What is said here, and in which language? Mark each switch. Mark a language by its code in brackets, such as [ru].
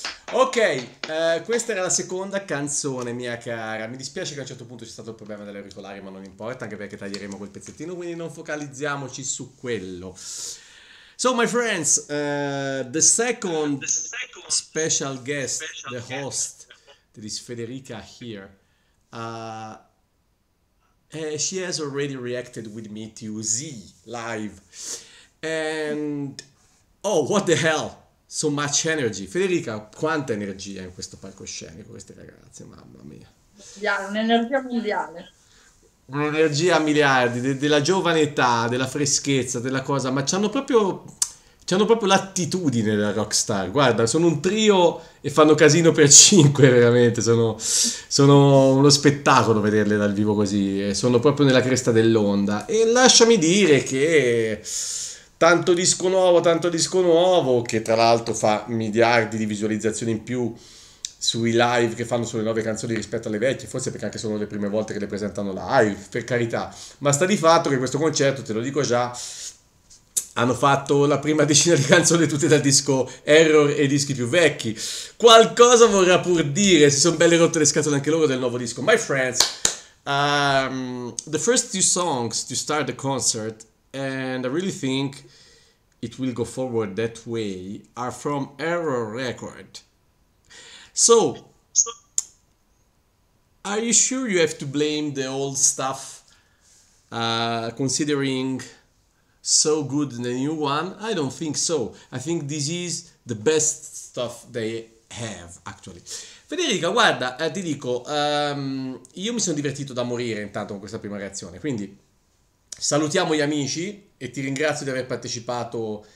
[it] Ok, questa era la seconda canzone, mia cara. Mi dispiace che a un certo punto c'è stato il problema delle auricolari, ma non importa, anche perché taglieremo quel pezzettino, quindi non focalizziamoci su quello. [en] So, my friends, the second special guest, special the host, that is Federica here, she has already reacted with me to Z live. And, oh, what the hell? So much energy. [it] Federica, quanta energia in questo palcoscenico, queste ragazze, mamma mia. Mondiale, un'energia mondiale. un'energia a miliardi, della giovane età, della freschezza, della cosa, ma c'hanno proprio l'attitudine da rockstar. Guarda, sono un trio e fanno casino per cinque, veramente. Sono uno spettacolo vederle dal vivo così. Sono proprio nella cresta dell'onda. E lasciami dire che tanto disco nuovo, che tra l'altro fa miliardi di visualizzazioni in più sui live che fanno sulle nuove canzoni rispetto alle vecchie, forse perché anche sono le prime volte che le presentano live, per carità. Ma sta di fatto che questo concerto, te lo dico già, hanno fatto la prima decina di canzoni tutte dal disco Error e dischi più vecchi. Qualcosa vorrà pur dire, si sono belle rotte le scatole anche loro del nuovo disco. [en] My friends, the first two songs to start the concert, and I really think it will go forward that way, are from Error Record. So, are you sure you have to blame the old stuff, considering so good the new one? I don't think so. I think this is the best stuff they have, actually. [it] Federica, guarda, ti dico, io mi sono divertito da morire intanto con questa prima reazione. Quindi salutiamo gli amici e ti ringrazio di aver partecipato.